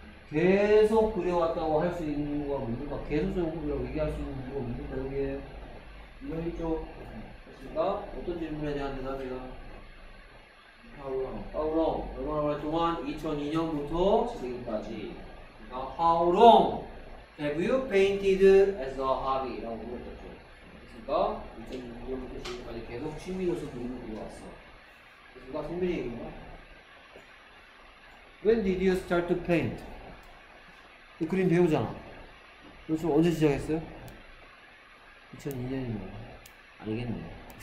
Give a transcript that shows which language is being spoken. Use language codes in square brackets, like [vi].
[ko] 계속 그려왔다고 할 수 있는 거가 뭡니까? 계속적으로 그리라고 얘기할 수 있는 거가 뭡니까? 여기에 이런 쪽 있습니까? 어떤 질문에 대한 대답이가? [en] How long? How long? [ko] 얼마나 오랫동안 2002년부터 지금까지 [en] How long have you painted as a hobby? [ko] 라고 물어봤죠. 그러니까 2002년부터 지금까지 계속 취미로서 그림을 그려왔어. 그러니까 성민이 얘기인가? [en] When did you start to paint? [ko] 그 그림 배우잖아. 그래서 언제 시작했어요? 2002년이면 아니겠네.